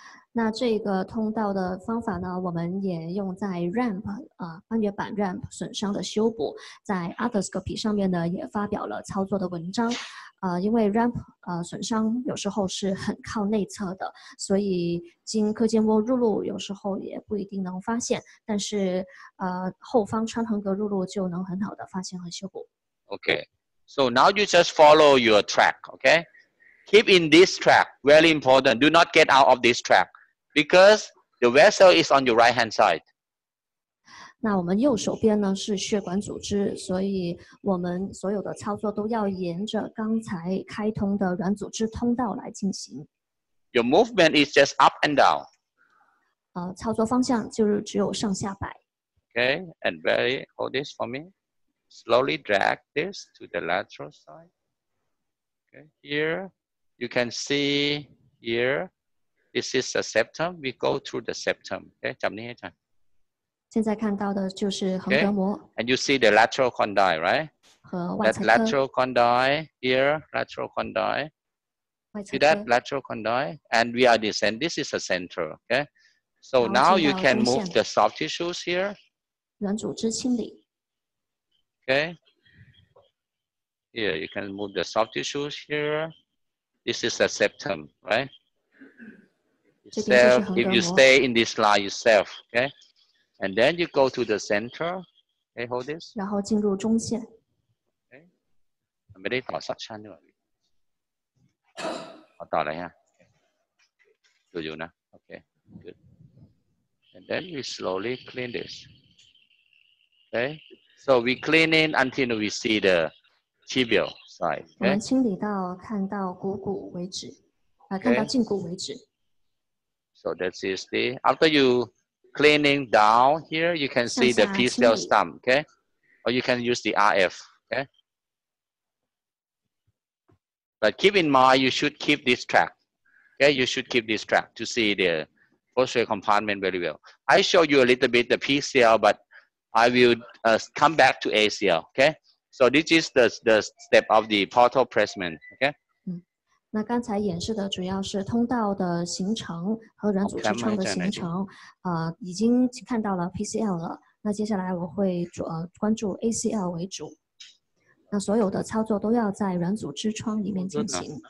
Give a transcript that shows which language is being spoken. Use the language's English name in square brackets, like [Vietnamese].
[Chinese] 那这个通道的方法呢，我们也用在 RAMP 半月板 RAMP 损伤的修补，在 arthroscopy 上面呢也发表了操作的文章，因为 RAMP 损伤有时候是很靠内侧的，所以经髁间窝入路有时候也不一定能发现，但是后方穿横膈入路就能很好的发现和修补。 [English] Okay, so now you just follow your track, okay? Keep in this track, very important. Do not get out of this track because the vessel is on your right hand side. [Chinese] 那我们右手边呢是血管组织，所以我们所有的操作都要沿着刚才开通的软组织通道来进行。 [English] Your movement is just up and down. [Chinese] 操作方向就是只有上下摆。 [English] Okay, and very, hold this for me. Slowly drag this to the lateral side. Okay, here. You can see here, this is the septum. We go through the septum. Okay, [Korean] 잡는 해 [Chinese] 现在看到的就是横膈膜。 [English] And you see the lateral condyle, right? [Chinese] 和外侧。 [English] That lateral condyle here, lateral condyle. See that lateral condyle? And we are descending. This is the center. Okay. So now you can move the soft tissues here. [Chinese] 软组织清理。 [English] Okay. Here, you can move the soft tissues here. This is the septum, right? Yourself, if you stay in this line yourself, okay? And then you go to the center. Okay, hold this. [Chinese] 然后进入中线。 Okay. 没得打上枪的嘛？我打了呀。有有呢 ？ [English] Okay, good. And then we slowly clean this. Okay, so we clean in until we see the tibial. Right, okay. [Chinese] 我们清理到看到股骨为止、 [English] okay. [Chinese] 看到胫骨为止。 [English] So that is the, after you cleaning down here, you can see the PCL stump, okay? Or you can use the RF, okay? But keep in mind, you should keep this track, okay? You should keep this track to see the posterior compartment very well. I show you a little bit the PCL, but I will come back to ACL, okay? So this is the step of the portal placement, okay? [Chinese] 那刚才演示的主要是通道的形成和软组织创的形成，已经看到了 PCL 了。那接下来我会关注 ACL 为主。那所有的操作都要在软组织创里面进行。